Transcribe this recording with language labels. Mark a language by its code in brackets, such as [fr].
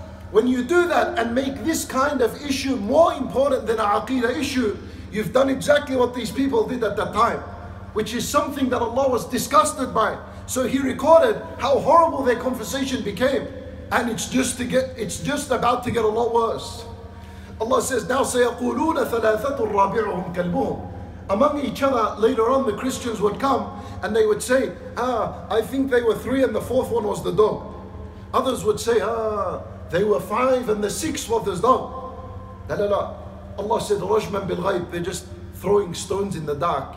[en] When you do that and make this kind of issue more important than an aqidah issue, you've done exactly what these people did at that time, which is something that Allah was disgusted by. So He recorded how horrible their conversation became. And it's just about to get a lot worse. Allah says, now [ar] سَيَقُولُونَ ثَلَاثَةٌ رَابِعُهُمْ كَلْبُهُمْ. [en] Among each other, later on the Christians would come and they would say, I think they were three and the fourth one was the dog. Others would say, they were five and the sixth was the dog. [ar] La. [en] Allah said, [ar] رَجْمًا بِالْغَيْبِ. [en] They're just throwing stones in the dark.